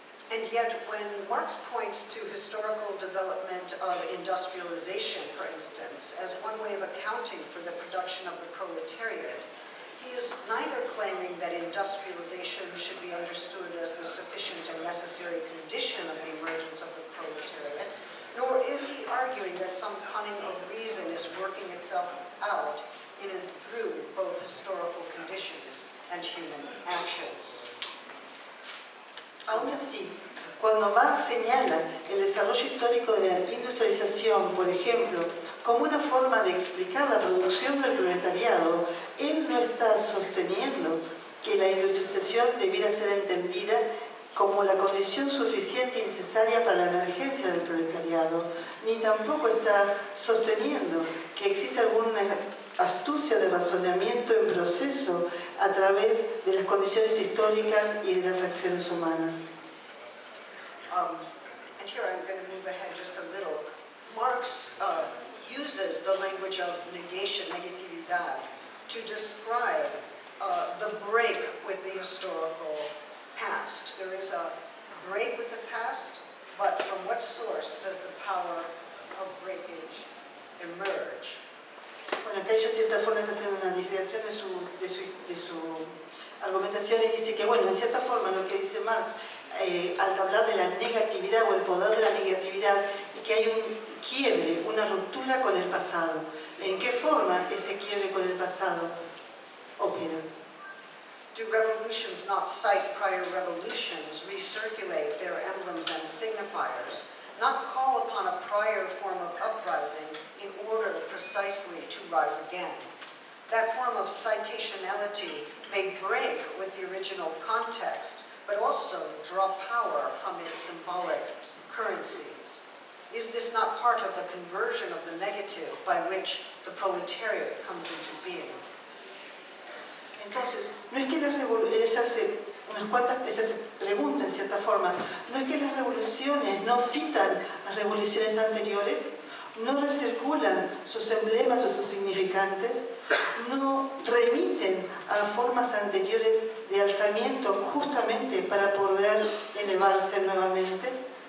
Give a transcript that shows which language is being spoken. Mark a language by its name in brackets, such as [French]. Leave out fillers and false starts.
[English] And yet, when Marx points to historical development of industrialization, for instance, as one way of accounting for the production of the proletariat, he is neither claiming that industrialization should be understood as the sufficient and necessary condition of the emergence of the proletariat, nor is he arguing that some cunning of reason is working itself out in and through both historical conditions and human actions. [Spanish] Aún así, cuando Marx señala el desarrollo histórico de la industrialización, por ejemplo, como una forma de explicar la producción del proletariado, él no está sosteniendo que la industrialización debiera ser entendida como la condición suficiente y necesaria para la emergencia del proletariado, ni tampoco está sosteniendo que existe alguna astucia de razonamiento en proceso a través de las condiciones históricas y de las acciones humanas. [English] And here I'm going to move ahead just a little. Marx uses the language of negation, negatividad, to describe the break with the historical past. There is a break with the past, but from what source does the power of breakage emerge? [Spanish] Bueno, acá ella cierta forma está haciendo una desviación de su argumentación y dice que, bueno, en cierta forma lo que dice Marx al hablar de la negatividad o el poder de la negatividad es que hay un quiebre, una ruptura con el pasado. Sí. ¿En qué forma ese quiebre con el pasado opera? [English] Do revolutions not cite prior revolutions, recirculate their emblems and signifiers, not call upon a prior form of uprising in order precisely to rise again? That form of citationality may break with the original context, but also draw power from its symbolic currencies. Is this not part of the conversion of the negative by which the proletariat comes into being? [Spanish] Entonces, no es que la revolución, se hace pregunta en cierta forma, no es que las revoluciones no citan las revoluciones anteriores, no recirculan sus emblemas o sus significantes, no remiten a formas anteriores de alzamiento justamente para poder elevarse nuevamente.